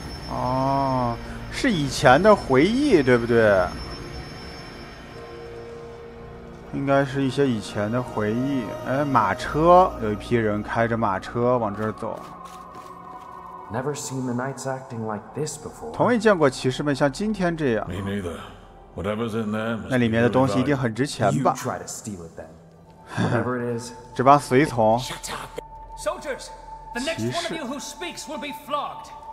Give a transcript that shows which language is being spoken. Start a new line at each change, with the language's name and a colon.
Chinese: 哦，是以前的回忆，对不对？应该是一些以前的回忆。哎，马车，有一批人开着马车往这儿走。
English: Never seen the knights acting like this before.
Chinese: 从未见过骑士们像今天这样。
English: Me neither. Whatever's in there.
Chinese: 那里面的东西一定很值钱吧？
English: You try to steal it then.
Chinese: 这帮随从。
English: Soldiers, the next one of you who speaks will be flogged.